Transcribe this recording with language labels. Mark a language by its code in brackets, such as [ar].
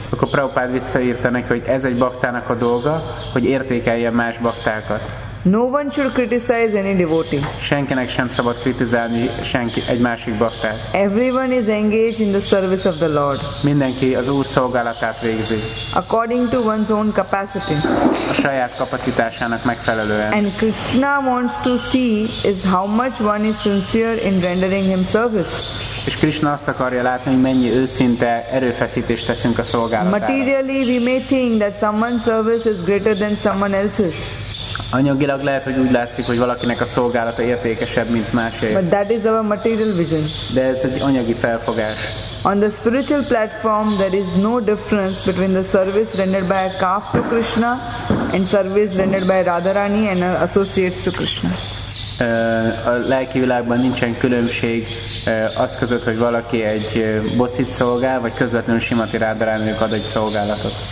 [hu] Akkor Prabhupád visszaírta neki, hogy ez egy baktának a dolga, hogy értékelje más baktákat. [en] No one should criticize any devotee. [hu] Senkinek sem szabad kritizálni senki egy másik baktát. [en] Everyone is engaged in the service of the Lord. [hu] Mindenki az Úr szolgálatát végzi. [en] According to one's own capacity. [hu] A saját kapacitásának megfelelően. [en] And Krishna wants to see is how much one is sincere in rendering him service. [hu] És Krishna azt akarja látni, hogy mennyi őszinte erőfeszítést teszünk a szolgálatára. [en] Materially we may think that someone's service is greater than someone else's. [hu] Anyagilag lehet, hogy úgy látszik, hogy valakinek a szolgálata értékesebb, mint másé. [en] But that is our material vision. [hu] De ez egy anyagi felfogás. [en] On the spiritual platform there is no difference between the service rendered by a calf to Krishna and service rendered by Radharani and her associates to Krishna. [hu] A lelki világban nincsen különbség az között, hogy valaki egy bocit szolgál, vagy közvetlenül Simati Rádarának ad egy szolgálatot.